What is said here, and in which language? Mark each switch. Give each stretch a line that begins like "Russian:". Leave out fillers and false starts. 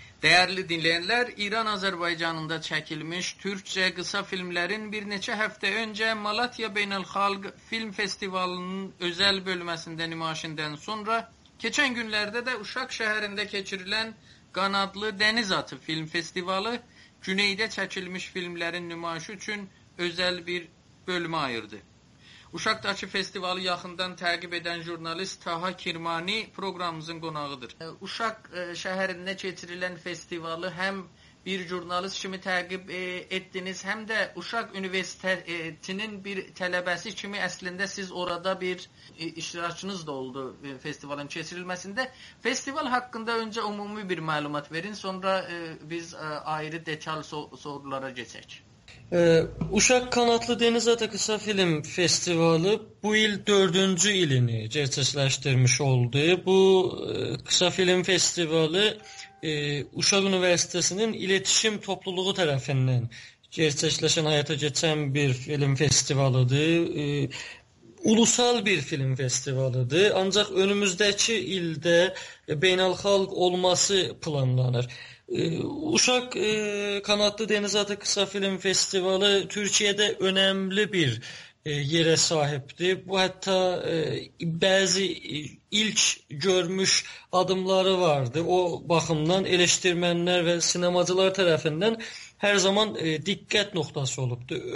Turkish: Değerli dinleyenler, İran Azerbaycan'ında çekilmiş Türkçe kısa filmlerin bir neçe hafta önce Malatya Beynəlxalq Film Festivalı'nın özel bölmesinde nümayişinden sonra, geçen günlerde de Uşaq şehrinde geçirilen Qanadlı Dəniz Atı Film Festivalı, güneyde çekilmiş filmlerin nümayişi için özel bir bölümü ayırdı.
Azerbaijani: Uşaqdakı festivalı yaxından təqib edən jurnalist Taha Kirmani programımızın qonağıdır. Uşaq şəhərində keçirilən festivalı həm bir jurnalist kimi təqib etdiniz, həm də Uşaq Üniversitetinin bir tələbəsi kimi əslində siz orada bir iştirakçınız da oldu festivalın keçirilməsində. Festival haqqında öncə ümumi bir məlumat verin, sonra biz ayrı detallı sorulara geçək. Uşaq Qanadlı Dəniz Atı Qısa Film Festivalı bu il 4-cü ilini gerçəkləşdirmiş oldu. Bu Qısa Film Festivalı Uşaq Üniversitesinin iletişim topluluğu tərəfindən gerçəkləşən, həyata keçən bir film festivalıdır. Ulusal bir film festivalıdır. Ancaq önümüzdəki ildə beynəlxalq olması planlanır. Uşaq Qanadlı Dəniz Atı Qısa Film Festivalı Türkiyədə önəmli bir yerə sahibdir. Bu hətta bəzi ilk görmüş adımları vardı. O baxımdan eleştirmenler və sinemacılar tərəfindən hər zaman diqqət nöqtəsi olubdur.